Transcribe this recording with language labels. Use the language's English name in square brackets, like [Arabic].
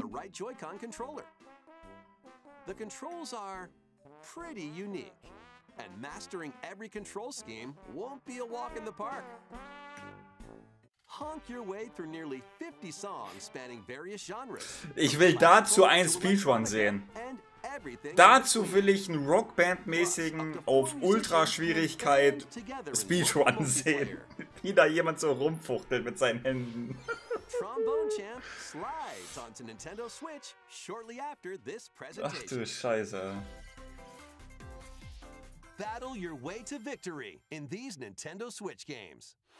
[English] The right Joy-Con controller. The controls are pretty unique. And mastering every control scheme won't be a walk in the park. Honk your way through nearly 50 songs spanning various genres. [German] Ich will dazu einen Speedrun sehen. Dazu will ich einen Rockband-mäßigen auf Ultraschwierigkeit Speedrun sehen. Wie da jemand so rumfuchtelt mit seinen Händen. [English] Trombone Champ slides onto Nintendo Switch shortly after this presentation. [German] Ach du Scheiße. [English] Battle your way to victory in these Nintendo Switch games.